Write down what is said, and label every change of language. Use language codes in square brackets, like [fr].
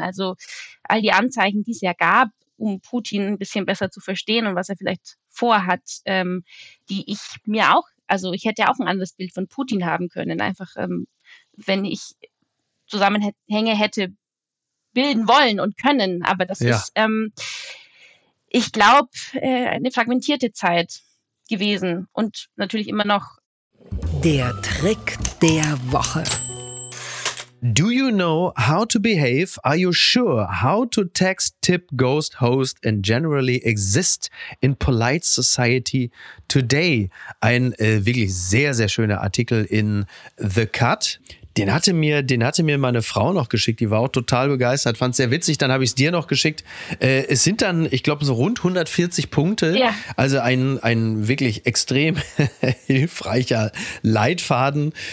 [de] Also all die Anzeichen, die es ja gab, um Putin ein bisschen besser zu verstehen und was er vielleicht vorhat, die ich mir auch, also ich hätte ja auch ein anderes Bild von Putin haben können, einfach wenn ich Zusammenhänge hätte bilden wollen und können. Aber das ist... ich glaube, eine fragmentierte Zeit gewesen und natürlich immer noch. Der Trick der Woche. [en] Do you know how to behave? Are you sure how to text, tip, ghost, host and generally exist in polite society today? [de] Ein wirklich sehr, sehr schöner Artikel in The Cut. Den hatte mir meine Frau noch geschickt, die war auch total begeistert, fand es sehr witzig, dann habe ich es dir noch geschickt. Es sind dann, ich glaube, so rund 140 Punkte, ja. Also ein wirklich extrem hilfreicher Leitfaden.